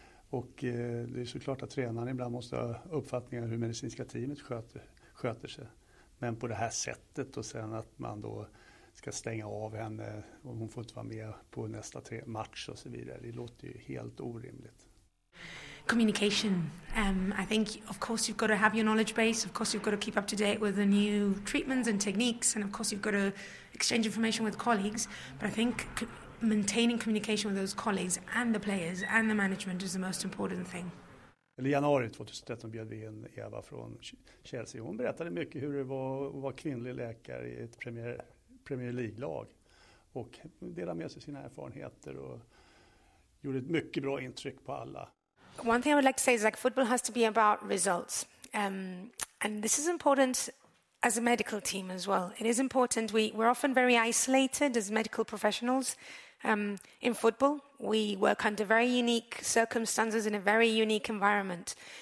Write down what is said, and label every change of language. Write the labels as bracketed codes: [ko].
[sv] Och det är såklart att tränaren ibland måste ha uppfattningar hur medicinska teamet sköter sig. Men på det här sättet och sen att man då ska stänga av henne och hon får inte vara med på nästa match och så vidare. Det låter ju helt orimligt. [en] Communication. I think, of course, you've got to have your knowledge base. Of course, you've got to keep up to date with the new treatments and techniques. And of course, you've got to exchange information with colleagues. But I think maintaining communication with those colleagues and the players and the management is the most important thing. [sv] I januari 2013 bjöd vi in Eva från Chelsea. Hon berättade mycket hur det var att vara kvinnlig läkare i ett Premier League-lag. Och delade med sig sina erfarenheter och gjorde ett mycket bra intryck på alla. [en] One thing I would like to say is like football has to be about results. And this is important as a medical team as well. It is important. We're often very isolated as medical professionals in football. We work under very unique circumstances in a very unique environment.